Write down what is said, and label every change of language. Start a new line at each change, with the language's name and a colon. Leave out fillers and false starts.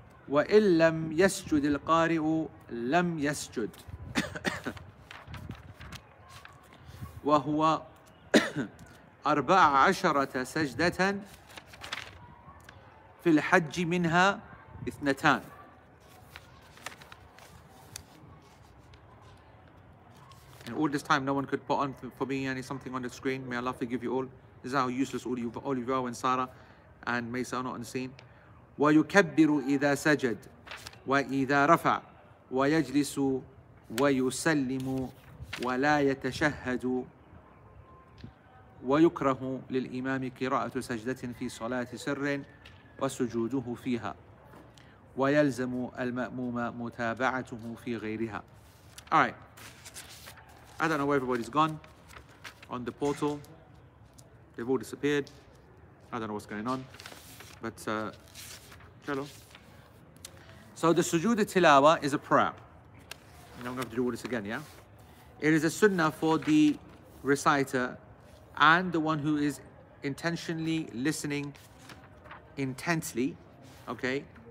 Arabic: وَإِنْ لَمْ يَسْجُدِ الْقَارِئُ لَمْ يَسْجُدْ وهو 14 سجدة في الحج منها اثنتان.
English: And all this time, no one could put on for me any something on the screen. May Allah forgive you all. This is how useless all you and Sarah and Mesa are not on the scene.
Arabic: ويكبر إذا سجد وإذا رفع ويجلس ويسلم ولا يتشهد ويكره للإمام قراءة سجدة في صلاة سر وسجوده فيها ويلزم المأموم متابعته في غيرها.
English: All right. I don't know where everybody's gone on the portal. They've all disappeared. I don't know what's going on. But, hello. So the sujood tilawa is a prayer. And I'm going to have to do all this again, yeah? It is a sunnah for the reciter and the one who is intentionally listening intensely, okay?